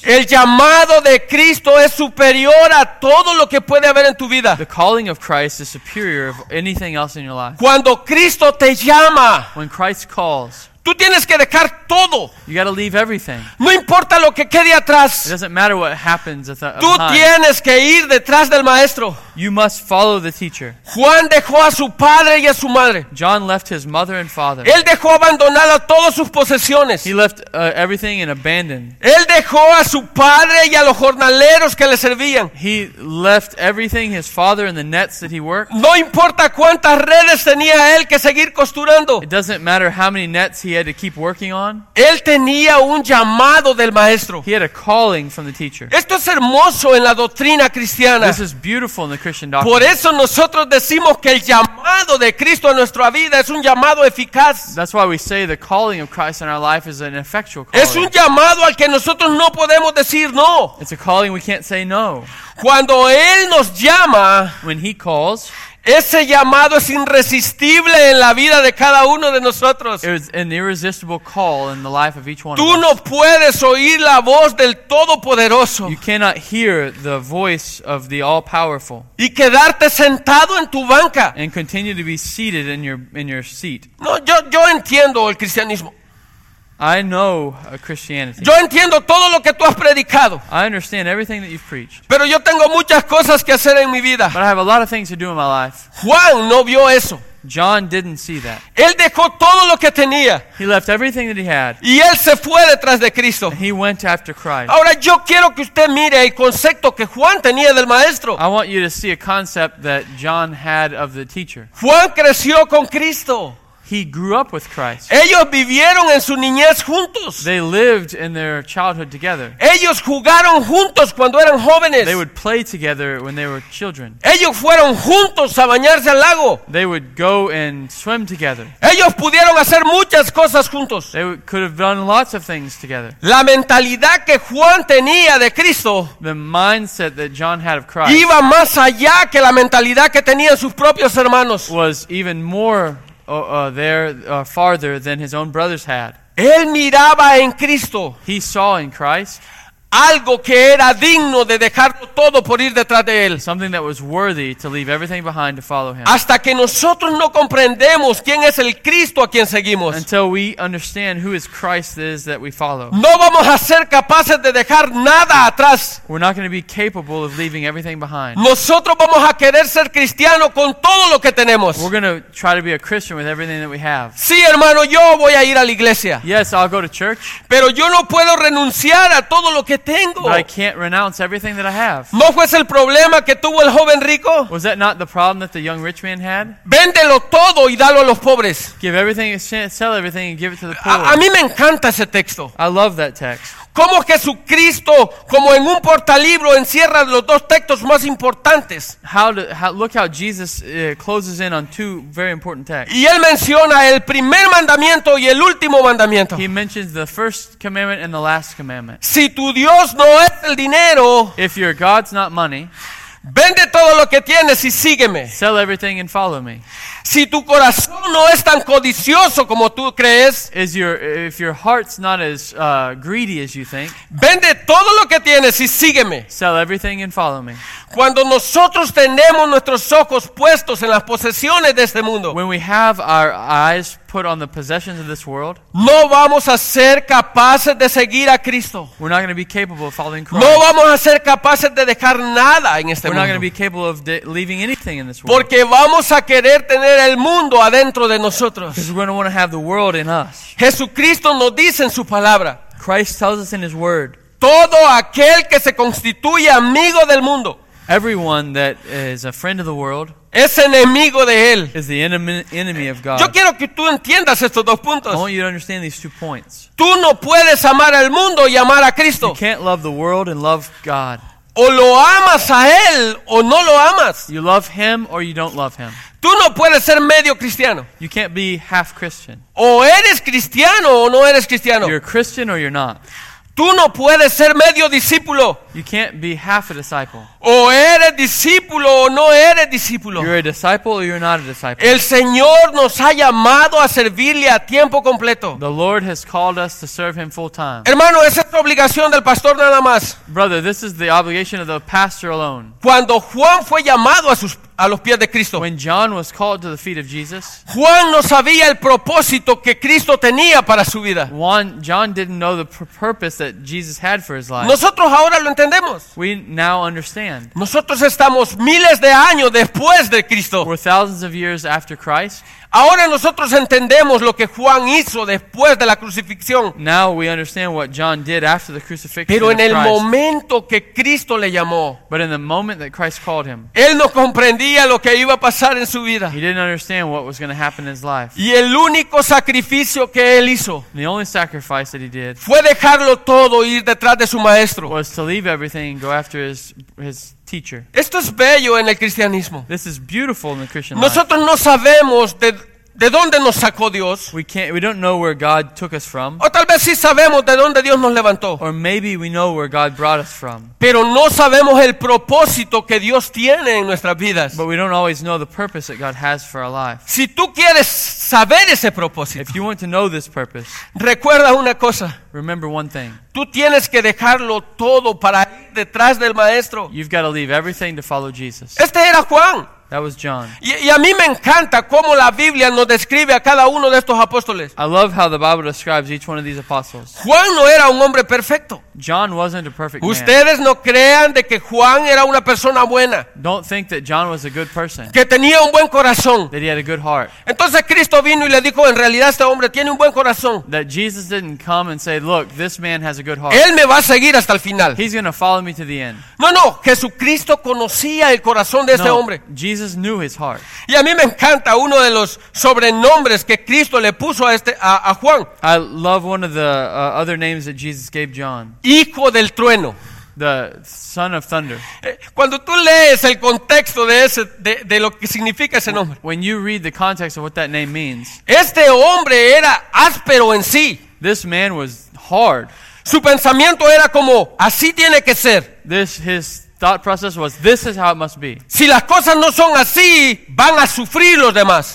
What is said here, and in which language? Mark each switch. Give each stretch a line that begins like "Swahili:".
Spanish: El llamado de Cristo es superior a todo lo que puede haber en tu vida.
English: The calling of Christ is superior of anything else in your life.
Spanish: Cuando Cristo te llama,
English: when Christ calls,
Spanish: tú tienes que dejar todo.
English: You gotta leave everything.
Spanish: No importa lo que quede atrás.
English: It doesn't matter what happens at the tú time.
Spanish: Tienes que ir detrás del maestro.
English: You must follow the teacher.
Spanish: Juan dejó a su padre y a su madre.
English: John left his mother and father.
Spanish: Él dejó abandonada todas sus posesiones.
English: He left everything and abandoned.
Spanish: Él dejó a su padre y a los jornaleros que le servían.
English: He left everything, his father and the nets that he worked.
Spanish: No importa cuántas redes tenía él que seguir costurando.
English: It doesn't matter how many nets he had to keep working on.
Spanish: Él tenía un llamado del maestro.
English: He had a calling from the teacher.
Spanish: Esto es hermoso en la doctrina cristiana.
English: This is beautiful. The Christian doctrine.
Spanish: Por eso nosotros decimos que el llamado de Cristo a nuestra vida es un llamado eficaz.
English: That's why we say the calling of Christ in our life is an effectual calling.
Spanish: Es un llamado al que nosotros no podemos decir no.
English: It's a calling we can't say no.
Spanish: Cuando Él nos llama,
English: when He calls,
Spanish: ese llamado es irresistible en la vida de cada uno de nosotros.
English: It is an irresistible call in the life of each one.
Spanish: Tú no puedes oír la voz del Todopoderoso.
English: You cannot hear the voice of the All-Powerful.
Spanish: Y quedarte sentado en tu banca.
English: And continue to be seated in your seat.
Spanish: No, yo entiendo el cristianismo.
English: I know Christianity.
Spanish: Yo entiendo todo lo que tú has predicado.
English: I understand everything that you've preached.
Spanish: Pero yo tengo muchas cosas que hacer en mi vida.
English: But I have a lot of things to do in my life.
Spanish: Juan no vio eso.
English: John didn't see that.
Spanish: Él dejó todo lo que tenía.
English: He left everything that he had.
Spanish: Y él se fue detrás de Cristo.
English: And he went after Christ.
Spanish: Ahora yo quiero que usted mire el concepto que Juan tenía del maestro.
English: I want you to see a concept that John had of the teacher.
Spanish: Juan creció con Cristo.
English: He grew up with Christ.
Spanish: Ellos vivieron en su niñez juntos.
English: They lived in their childhood together.
Spanish: Ellos jugaron juntos cuando eran jóvenes.
English: They would play together when they were children.
Spanish: Ellos fueron juntos a bañarse al lago.
English: They would go and swim together.
Spanish: Ellos pudieron hacer muchas cosas juntos.
English: They could have done lots of things together.
Spanish: La mentalidad que Juan tenía de Cristo,
English: the mindset that John had of Christ,
Spanish: iba más allá que la mentalidad que tenían sus propios hermanos.
English: Was even more farther than his own brothers had.
Spanish: Él miraba en Cristo.
English: He saw in Christ
Spanish: algo que era digno de dejarlo todo por ir detrás de él.
English: Something that was worthy to leave everything behind to follow him.
Spanish: Hasta que nosotros no comprendemos quién es el Cristo a quien seguimos.
English: Until we understand who is Christ is that we follow.
Spanish: No vamos a ser capaces de dejar nada atrás.
English: We're not going to be capable of leaving everything behind.
Spanish: Nosotros vamos a querer ser cristiano con todo lo que tenemos.
English: We're going to try to be a Christian with everything that we have.
Spanish: Sí, hermano, yo voy a ir a la iglesia.
English: Yes, I'll go to church.
Spanish: Pero yo no puedo renunciar a todo lo que tengo.
English: But I can't renounce everything that I have.
Spanish: ¿No fue el problema que tuvo el joven rico?
English: Was that not the problem that the young rich man had?
Spanish: Véndelo todo y dalo a los pobres.
English: Give everything, sell everything and give it to the poor.
Spanish: A mí me encanta ese texto.
English: I love that text.
Spanish: ¿Cómo Jesucristo, como en un portalibro, encierra los dos textos más importantes?
English: Look how Jesus closes in on two very important texts.
Spanish: Y él menciona el primer mandamiento y el último mandamiento.
English: He mentions the first commandment and the last commandment.
Spanish: Si tu Dios no es el dinero,
English: if your God's not money,
Spanish: vende todo lo que tienes y sígueme.
English: Sell everything and follow me.
Spanish: Si tu corazón no es tan codicioso como tú crees,
English: if your heart's not as greedy as you think,
Spanish: vende todo lo que tienes y sígueme.
English: Sell everything and follow me.
Spanish: Cuando nosotros tenemos nuestros ojos puestos en las posesiones de este mundo,
English: when we have our eyes put on the possessions of this world,
Spanish: no vamos a ser capaces de seguir a Cristo.
English: We're not going to be capable of following Christ.
Spanish: No vamos a ser capaces de dejar nada en este mundo.
English: We're not going to be capable of leaving anything in this world.
Spanish: Porque vamos a querer tener el mundo adentro de nosotros.
English: Because we're going to want to have the world in us.
Spanish: Jesucristo nos dice en su palabra,
English: Christ tells us in his word,
Spanish: todo aquel que se constituye amigo del mundo,
English: everyone that is a friend of the world,
Spanish: es enemigo de él,
English: is the enemy of God.
Spanish: Yo quiero que tú entiendas estos dos puntos.
English: I want you to understand these two points.
Spanish: Tú no puedes amar al mundo y amar a Cristo.
English: You can't love the world and love God.
Spanish: O lo amas a él o no lo amas.
English: You love him or you don't love him.
Spanish: Tú no puedes ser medio cristiano.
English: You can't be half Christian.
Spanish: O eres cristiano o no eres cristiano.
English: You're a Christian or you're not.
Spanish: Tú no puedes ser medio discípulo.
English: You can't be half a disciple.
Spanish: O eres discípulo o no eres discípulo.
English: You're a disciple or you're not a disciple.
Spanish: El Señor nos ha llamado a servirle a tiempo completo.
English: The Lord has called us to serve him full time.
Spanish: Hermano, esa es la obligación del pastor nada más.
English: Brother, this is the obligation of the pastor alone.
Spanish: Cuando Juan fue llamado a los pies de Cristo,
English: when John was called to the feet of Jesus,
Spanish: Juan no sabía el propósito que Cristo tenía para su vida.
English: John didn't know the purpose that Jesus had for his life.
Spanish: Nosotros ahora lo entendemos.
English: We now understand.
Spanish: Nosotros estamos miles de años después de Cristo.
English: We're thousands of years after Christ.
Spanish: Ahora nosotros entendemos lo que Juan hizo después de la crucifixión.
English: Now we understand what John did after the crucifixion.
Spanish: Pero en
English: of
Spanish: el momento que Cristo le llamó,
English: but in the moment that Christ called him,
Spanish: él no comprendía lo que iba a pasar en su vida.
English: He didn't understand what was going to happen in his life.
Spanish: Y el único sacrificio que él hizo,
English: the only sacrifice that he did,
Spanish: fue dejarlo todo y ir detrás de su maestro.
English: Was to leave everything and go after his teacher.
Spanish: Esto es bello en el cristianismo.
English: This is beautiful in the Christian
Spanish: nosotros
English: life.
Spanish: No sabemos de dónde nos sacó Dios.
English: We don't know where God took us from.
Spanish: O tal vez sí sabemos de dónde Dios nos levantó.
English: Or maybe we know where God brought us from.
Spanish: Pero no sabemos el propósito que Dios tiene en nuestras vidas.
English: But we don't always know the purpose that God has for our life.
Spanish: Si tú quieres saber ese propósito,
English: if you want to know this purpose,
Spanish: recuerda una cosa.
English: Remember one thing.
Spanish: Tú tienes que dejarlo todo para ir detrás del maestro.
English: You've got to leave everything to follow Jesus.
Spanish: Este era Juan.
English: That was John.
Spanish: Y a mí me encanta cómo la Biblia nos describe a cada uno de estos apóstoles.
English: I love how the Bible describes each one of these apostles.
Spanish: Juan no era un hombre perfecto.
English: John wasn't a perfect man.
Spanish: Ustedes no crean de que Juan era una persona buena.
English: Don't think that John was a good person.
Spanish: Que tenía un buen corazón.
English: That he had a good heart.
Spanish: Entonces Cristo vino y le dijo, en realidad este hombre tiene un buen corazón.
English: That Jesus didn't come and say, look, this man has a good heart.
Spanish: Él me va a seguir hasta el final.
English: He's going to follow me to the end.
Spanish: No, no, Jesucristo conocía el corazón de este hombre.
English: Jesus knew his heart.
Spanish: Y a mí me encanta uno de los sobrenombres que Cristo le puso a Juan.
English: I love one of the other names that Jesus gave John.
Spanish: Hijo del trueno.
English: The son of thunder.
Spanish: Cuando tú lees el contexto de ese de lo que significa ese nombre.
English: When you read the context of what that name means.
Spanish: Este hombre era áspero en sí.
English: This man was hard.
Spanish: Su pensamiento era como así tiene que ser.
English: His thought process was, this is how it must be.
Spanish: Si las cosas no son así, van a sufrir los demás.